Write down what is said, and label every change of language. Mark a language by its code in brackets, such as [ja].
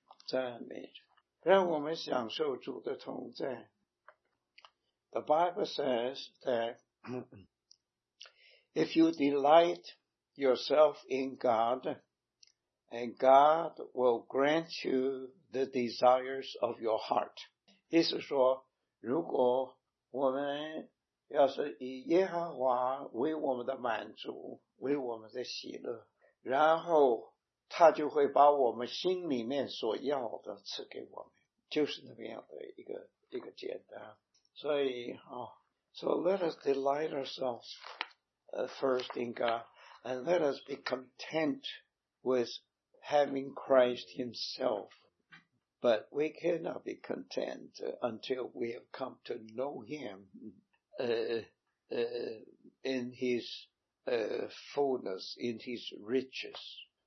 [en] The Bible says that if you delight yourself in God, and God will grant you the desires of your heart. [zh] 意思说，如果我们要是以耶和华为我们的满足，为我们的喜乐，然后他就会把我们心里面所要的赐给我们，就是那么样的一个简单。所以 [en] So let us delight ourselves first in God, and let us be content with having Christ himself. But we cannot be content until we have come to know him in his fullness, in his riches.